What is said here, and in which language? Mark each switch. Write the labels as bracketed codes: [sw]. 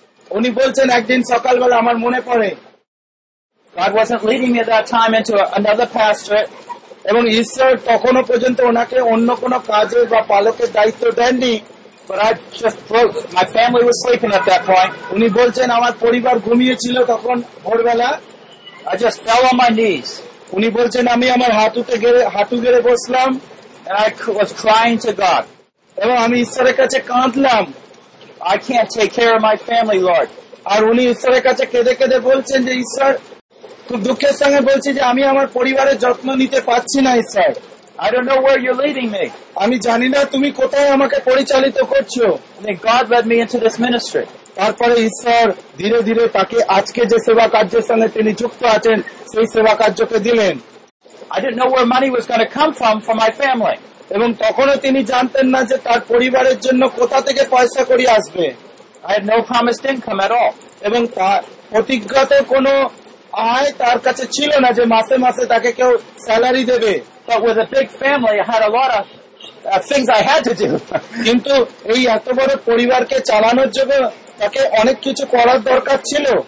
[bn] উনি বলছেন একদিন সকালবেলা আমার মনে পড়ে, [en] God wasn't leading me at that time into another pastorate. [bn] এবং ঈশ্বর তখনও পর্যন্ত ওনাকে অন্য কোন কাজে বা পালকের দায়িত্ব দেননি। [en] But I just broke. My family was sleeping at that point. [bn] উনি বলছেন আমার পরিবার ঘুমিয়েছিল তখন ভোরবেলা। [en] I just fell on my knees. [bn] উনি বলছেন আমি আমার হাঁটু গেড়ে বসলাম। [en] And I was crying to God. [bn] এবং আমি ঈশ্বরের কাছে কাঁদলাম। [en] I can't take care of my family, Lord. [bn] আর উনি ঈশ্বরের কাছে কেঁদে কেঁদে বলছেন যে ঈশ্বর খুব দুঃখের সঙ্গে বলছি যে আমি আমার পরিবারের যত্ন নিতে পারছি না ঈশ্বর। [en] I don't know where you're leading me. [bn] আমি জানি না তুমি কোথায় আমাকে পরিচালিত করছো। [en] God led me into this ministry. [bn] তারপরে ঈশ্বর ধীরে ধীরে তাকে আজকে যে সেবা কার্যের সঙ্গে তিনি যুক্ত আছেন সেই সেবা কার্যকে দিলেন। [en] I didn't know where money was going to come from my family. [bn] এবং তখনও তিনি জানতেন না যে তার পরিবারের জন্য কোথা থেকে পয়সা কড়ি আসবে। [en] I had no promised income at all. [bn] এবং তার প্রতিজ্ঞাত কোনো আয় তার কাছে ছিল না যে মাসে মাসে তাকে কেউ স্যালারি দেবে। [en] But with a big family, I had a lot of things I had to do. [bn] কিন্তু এই এত বড় পরিবারকে চালানোর জন্য তাকে অনেক কিছু করার দরকার ছিল।